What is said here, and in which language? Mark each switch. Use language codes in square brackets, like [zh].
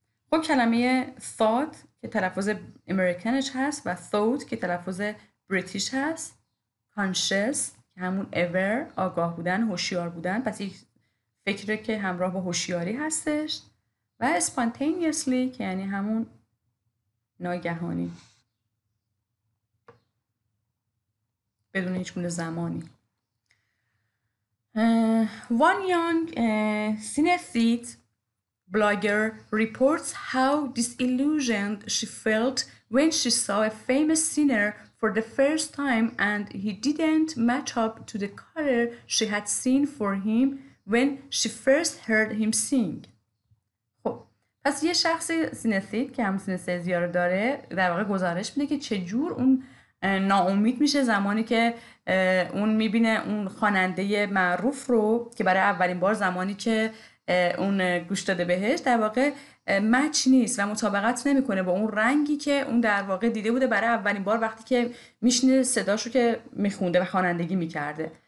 [fa] خب کلمه thought که تلفظ امریکنش هست و thought که تلفظ بریتیش هست، conscious که همون aware، آگاه بودن، هوشیار بودن، پس یک فکره که همراه با هوشیاری هستش، و spontaneously که یعنی همون ناگهانی بدون هیچ گونه زمانی. [en] One young synesthete blogger reports how disillusioned she felt when she saw a famous singer for the first time and he didn't match up to the color she had seen for him when she first heard him sing. [fa] خب پس یه شخصی سینستیت که هم سینستیزیا رو داره در واقع گزارش میده که چجور اون ناامید میشه زمانی که اون میبینه اون خواننده معروف رو که برای اولین بار زمانی که اون گوش داده بهش در واقع مچ نیست و مطابقت نمیکنه با اون رنگی که اون در واقع دیده بوده برای اولین بار وقتی که میشنه صداشو که میخونده و خوانندگی میکرده.